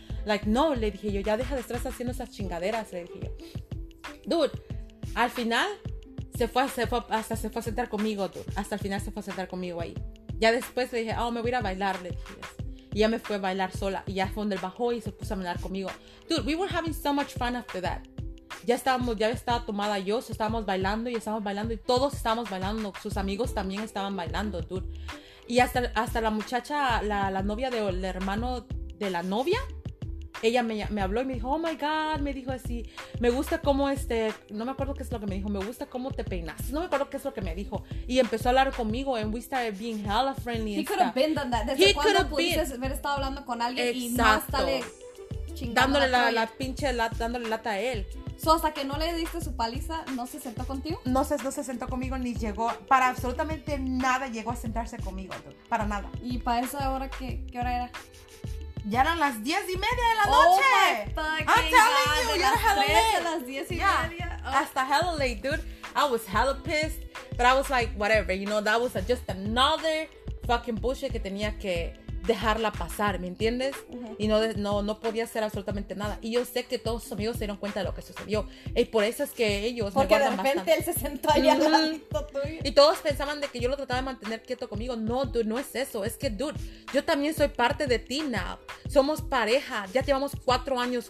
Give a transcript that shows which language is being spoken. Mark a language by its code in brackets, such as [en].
[es] Like, no, le dije yo, ya deja de estar haciendo esas chingaderas, le dije yo. Dude, al final se fue a sentar conmigo, tú. Hasta el final se fue a sentar conmigo ahí. Ya después le dije, oh, me voy a ir a bailar, le dije. Y ya me fue a bailar sola. Y ya fue donde bajó y se puso a bailar conmigo. [en] Dude, we were having so much fun after that. [es] Ya estaba tomada yo, so estábamos bailando y estábamos bailando. Y todos estábamos bailando. Sus amigos también estaban bailando, dude. Y hasta la muchacha, la novia del hermano de la novia, ella me habló y me dijo, [en] oh my God, [es] me dijo así, me gusta cómo no me acuerdo qué es lo que me dijo, me gusta cómo te peinas, no me acuerdo qué es lo que me dijo, y empezó a hablar conmigo, [en] and we started being hella friendly. He could have been done that. [es] Desde cuando pudiste haber estado hablando con alguien. Exacto. Y no estarle chingando dándole la pinche lata, dándole lata a él. So, hasta que no le diste su paliza, ¿no se sentó contigo? No se sentó conmigo, ni llegó, para absolutamente nada llegó a sentarse conmigo, para nada. ¿Y para eso ahora qué hora era? Ya eran las 10:30 de la noche. [en] Oh my fucking I'm telling God, you, you're hella late. [es] Las 10:30. [en] Oh. [es] Hasta [en] hella late, dude. I was hella pissed, but I was like, whatever, you know, that was just another fucking bullshit [es] que tenía que dejarla pasar, ¿me entiendes? Uh-huh. Y no podía hacer absolutamente nada. Y yo sé que todos sus amigos se dieron cuenta de lo que sucedió. Y por eso es que ellos porque me guardan bastante. Porque de repente bastante. Él se sentó ahí al lado tuyo. Y todos pensaban de que yo lo trataba de mantener quieto conmigo. No, dude, no es eso. Es que, dude, yo también soy parte de ti now. Somos pareja. Ya llevamos 4 años